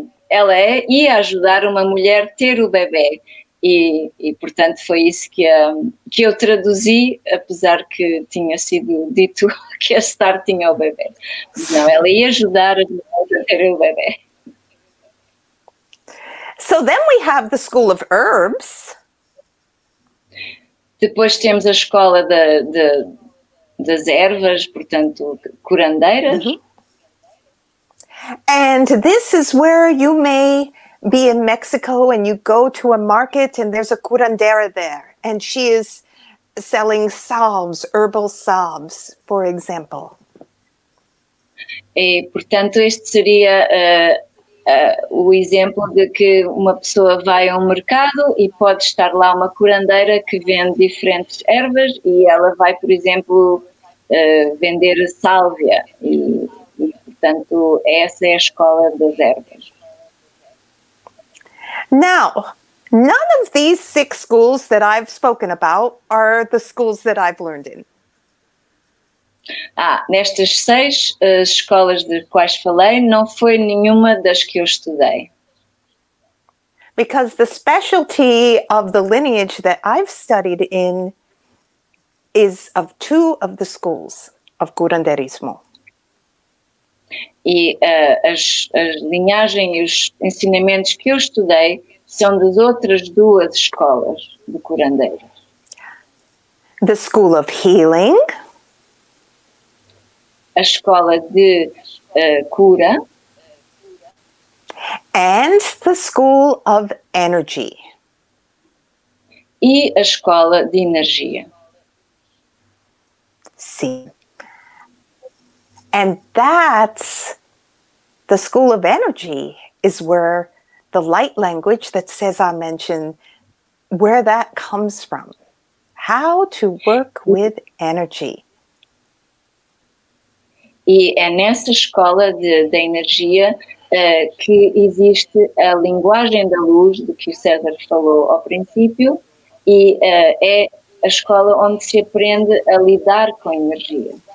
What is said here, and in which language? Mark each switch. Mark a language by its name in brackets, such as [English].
[Portuguese] Ela ia ajudar uma mulher a ter o bebê. E portanto, foi isso que eu traduzi, apesar que tinha sido dito que a Star tinha o bebê. Não, ela ia ajudar a ter o bebê. [English] So then we have the School of Herbs. [Portuguese] Depois temos a escola das ervas, portanto, curandeiras. Uh-huh. [English] And this is where you may be in Mexico and you go to a market and there's a curandera there and she is selling salves, herbal salves, for example. [Portuguese] E portanto este seria o exemplo de que uma pessoa vai a um mercado e pode estar lá uma curandeira que vende diferentes ervas e ela vai, por exemplo, vender sálvia e portanto essa é a escola das ervas. [English] Now, none of these six schools that I've spoken about are the schools that I've learned in. [Portuguese] Ah, nestas seis escolas de quais falei, não foi nenhuma das que eu estudei. [English] Because the specialty of the lineage that I've studied in is of two of the schools of curanderismo. [Portuguese] E as linhagens e os ensinamentos que eu estudei são das outras duas escolas de curandeiros. [English] The School of Healing. [Portuguese] A escola de cura. [English] And the School of Energy. [Portuguese] E a escola de energia. Sim. [English] And that's the School of Energy is where the light language that César mentioned, where that comes from. How to work with energy. [Portuguese] E é nessa escola de energia que existe a linguagem da luz, do que o César falou ao princípio, e é a escola onde se aprende a lidar com a energia.